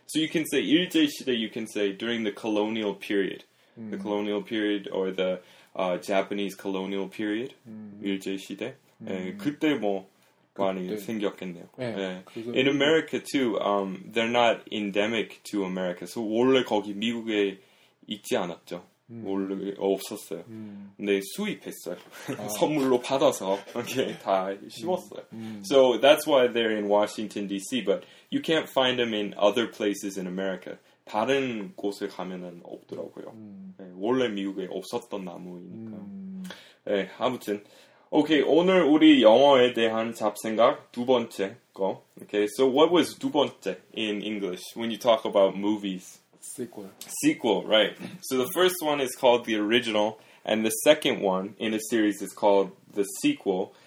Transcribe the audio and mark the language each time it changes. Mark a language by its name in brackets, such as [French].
[English] So you can say 일제 시대, you can say during the colonial period. The colonial period or the Japanese colonial period. [Korean] 일제 시대. 그때 뭐 많이 그때. 생겼겠네요. 네. 네. [English] In America too, they're not endemic to America. [Korean] So 원래 거기 미국에 있지 않았죠. 원래 없었어요. 근데 수입했어요. 아. 선물로 받아서 이렇게 다 심었어요. [English] So that's why they're in Washington DC. But you can't find them in other places in America. [Korean] 다른 곳을 가면은 없더라고요. 네. 원래 미국에 없었던 나무이니까. 네. 아무튼. 오케이, okay, 오늘 우리 영어에 대한 잡생각 두 번째 거. [English] Okay, so what was [Korean] 두 번째 [English] in English when you talk about movies? Sequel. Sequel, right. So the first one is called the original, and the second one in a series is called the sequel.